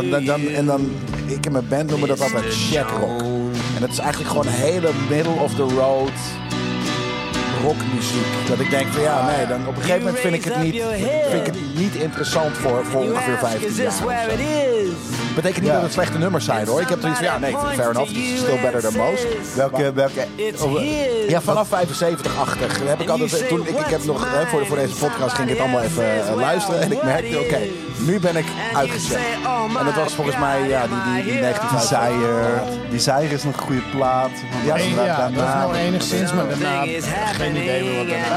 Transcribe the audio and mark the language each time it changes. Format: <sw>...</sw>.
<nl>Dan, ik en mijn band noemen dat altijd shit rock. En het is eigenlijk gewoon hele middle of the road rockmuziek. Dat ik denk van ja, nee, dan op een gegeven moment vind ik het niet interessant voor ongeveer 15 jaar. Dat betekent niet dat het slechte nummers zijn, hoor. Ik heb toen iets van, ja, nee,</nl> <en>fair enough. It's still better than most.</en> <nl>Vanaf 75-80 heb ik altijd... Voor deze podcast ging ik het allemaal even luisteren. En ik merkte, oké, nu ben ik uitgezet. En dat was volgens mij, ja, die 19 zeier. Die zeier is nog een goede plaat. Ja, dat is nou enigszins, maar daarna geen idee meer wat</nl>